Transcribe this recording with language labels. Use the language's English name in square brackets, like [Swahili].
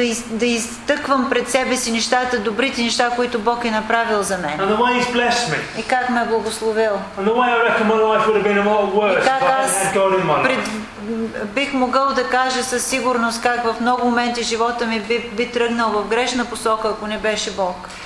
[Bulgarian] да изтъквам пред себе си нещата, добрите неща, които Бог е направил за мен. [English] And the way he's blessed me. [Bulgarian] И как ме е благословил. [English] And the way I reckon my life would have been a lot worse if I had God in my life. [Bulgarian] Бих могъл да кажа със сигурност как в много моменти живота ми би тръгнал в грешна посока, ако не беше Бог.